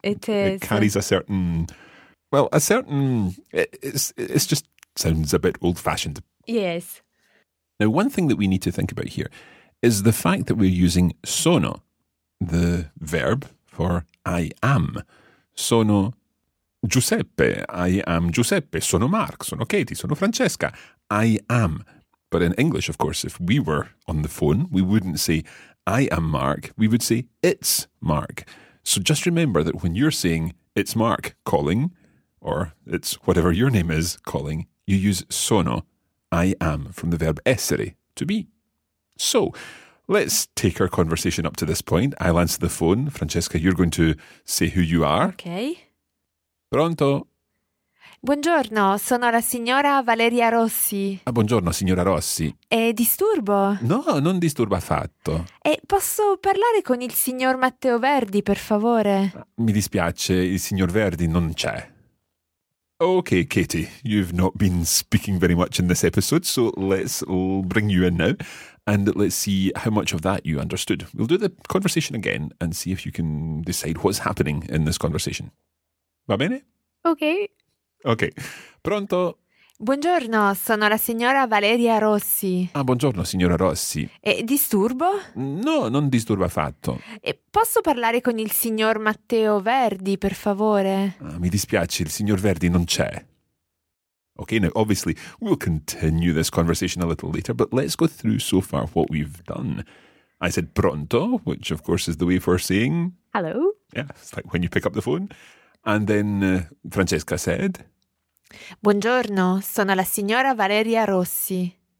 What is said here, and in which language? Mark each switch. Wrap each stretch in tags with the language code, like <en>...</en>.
<en>It is. It carries a certain, well, a certain, it's just sounds a bit old-fashioned. Yes. Now, one thing that we need to think about here is the fact that we're using sono, the verb for I am. Sono Giuseppe, I am Giuseppe, sono Mark, sono Katie, sono Francesca, I am. But in English, of course, if we were on the phone, we wouldn't say I am Mark, we would say it's Mark. So just remember that when you're saying it's Mark calling, or it's whatever your name is calling, you use sono, I am, from the verb essere, to be. So, let's take our conversation up to this point. I'll answer the phone. Francesca, you're going to say who you are. Okay.</en> <it>Pronto. Buongiorno, sono la signora Valeria Rossi. Ah, buongiorno, signora Rossi. E disturbo? No, non disturba affatto. E posso parlare con il signor Matteo Verdi, per favore? Mi dispiace, il signor Verdi non c'è.</it> <en>Okay, Katie, you've not been speaking very much in this episode, so let's bring you in now. And let's see how much of that you understood. We'll do the conversation again and see if you can decide what's happening in this conversation.</en> <it>Va bene?</it> <en>Okay.</en> <it>Okay. Pronto? Buongiorno, sono la signora Valeria Rossi. Ah, buongiorno, signora Rossi. E disturbo? No, non disturba affatto. E posso parlare con il signor Matteo Verdi, per favore? Ah, mi dispiace, il signor Verdi non c'è.</it> <en>Okay, now obviously we'll continue this conversation a little later, but let's go through so far what we've done. I said pronto, which of course is the way for saying... Hello. Yeah, it's like when you pick up the phone. And then Francesca said...</en> <it>Buongiorno, sono la signora Valeria Rossi.</it>